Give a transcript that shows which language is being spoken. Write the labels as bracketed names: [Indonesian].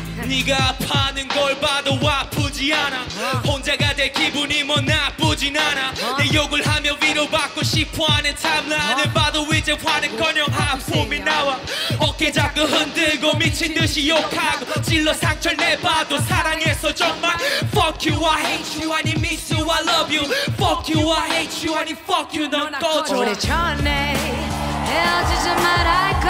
[Korean] 네가 아파하는 걸 봐도 아프지 않아. 혼자가 될 기분이 뭐 나쁘진 않아. 내 욕을 하며 위로받고 싶어하는 탑라인을 봐도 이제 화는커녕 아픔이 나와. 어깨 자꾸 흔들고 미친듯이 욕하고 찔러 상처 내봐도 사랑해서 정말. [English] Fuck you, I hate you, I need miss you, I love you. Fuck you, I hate you, I need fuck you, [Korean] 넌 꺼져. 오래전에 헤어지지 말할걸,